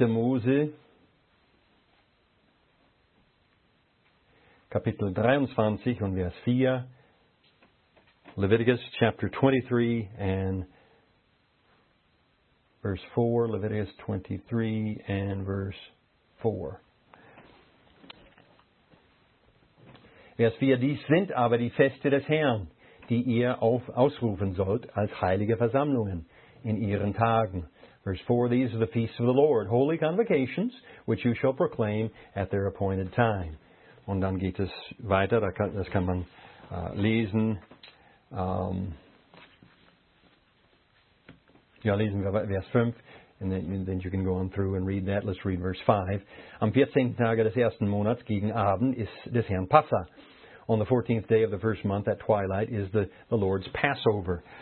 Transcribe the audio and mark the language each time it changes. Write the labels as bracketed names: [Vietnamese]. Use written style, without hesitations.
[German] Mose Kapitel 23 und Vers 4, [English] Leviticus chapter 23 and verse 4, [German] Leviticus 23 and verse 4. Vers 4, dies sind aber die Feste des Herrn, die ihr ausrufen sollt als heilige Versammlungen in ihren Tagen. [English] Verse 4, these are the feasts of the Lord, holy convocations, which you shall proclaim at their appointed time. [German] Und dann geht es weiter, das kann man lesen. Lesen wir Vers 5, [English] and then you can go on through and read that. Let's read verse 5. [German] Am 14. Tage des ersten Monats gegen Abend ist des Herrn Passa. [English] On the 14th day of the first month at twilight is the Lord's Passover.